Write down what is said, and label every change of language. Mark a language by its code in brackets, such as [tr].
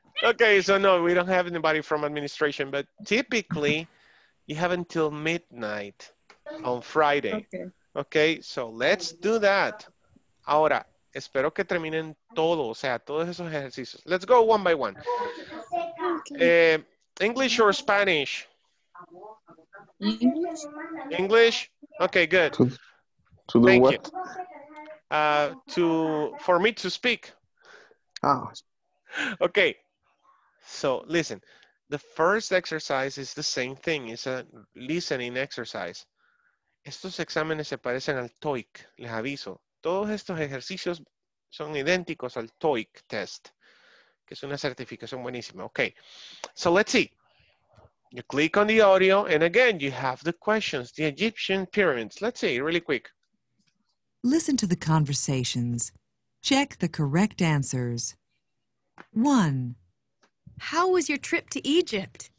[en] Okay, so no, we don't have anybody from administration, but typically you have until midnight on Friday. Okay, so let's do that. [es] Ahora, espero que terminen todo, o sea, todos esos ejercicios. [en] Let's go one by one. English or Spanish? English. Okay, good. To do what? For me to speak. Oh. Okay, so listen. The first exercise is the same thing. It's a listening exercise. [es] Estos exámenes se parecen al TOEIC, les aviso. Todos estos ejercicios son idénticos al TOEIC test, que es una certificación buenísima. [en] Okay, so let's see. You click on the audio, and again, you have the questions, the Egyptian pyramids. Let's see, really quick. Listen to the conversations. Check the correct answers. 1. How was your trip to Egypt?